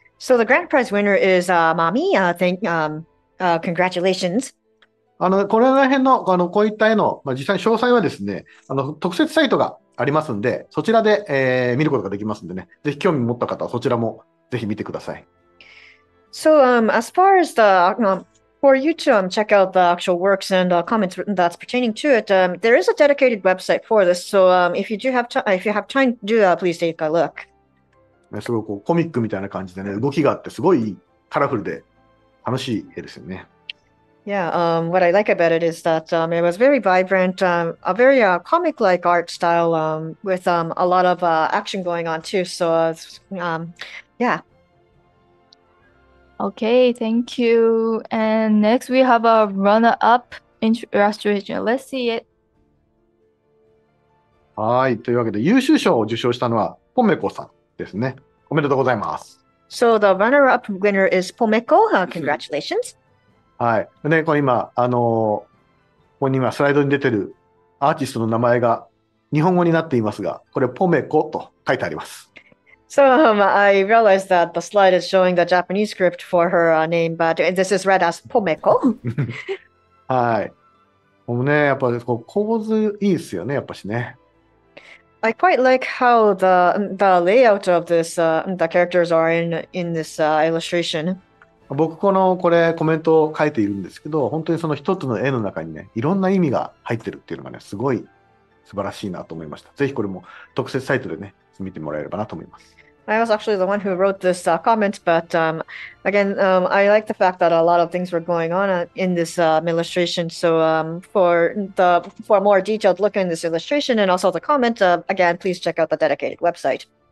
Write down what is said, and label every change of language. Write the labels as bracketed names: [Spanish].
[English] So the grand prize winner is Mami. Congratulations. [Japanese] これら辺 のこういった絵の、まあ、実際に詳細はですね特設サイトがありますんでそちらで、見ることができますんでねぜひ興味持った方はそちらもぜひ見てください。 [English] So as far as the for you to check out the actual works and comments that's pertaining to it, there is a dedicated website for this. So if you have time, do please take a look.、 [Japanese] ね、すごいこうコミックみたいな感じでね動きがあってすごいカラフルで楽しい絵ですよね。 [English] Yeah, what I like about it is that it was very vibrant, a very comic-like art style with a lot of action going on too. So, yeah. Okay, thank you. And next we have a runner-up illustration. Let's see it. [Japanese] はい、というわけで優秀賞を受賞したのはポメコさんですね。おめでとうございます。 [English] So the runner-up winner is ポメコ.Congratulations. [Japanese] はいね、これ今、ここに今スライドに出てるアーティストの名前が日本語になっていますが、これポメコと書いてあります。 [English] So, I realized that the slide is showing the Japanese script for her name, but this is read as ポメコ。 [Japanese] はい。もうね、やっぱり構図いいですよね、やっぱしね。 [English] I quite like how the layout of this, the characters are in this illustration. [Japanese] 僕このこれコメントを書いているんですけど、本当にその一つの絵の中にね、いろんな意味が入ってるっていうのがね、すごい素晴らしいなと思いました。ぜひこれも特設サイトでね、見てもらえればなと思います。 [English] I was actually the one who wrote this comment, but again, I like the fact that a lot of things were going on in this illustration. So for a more detailed look in this illustration and also the comment, again, please check out the dedicated website.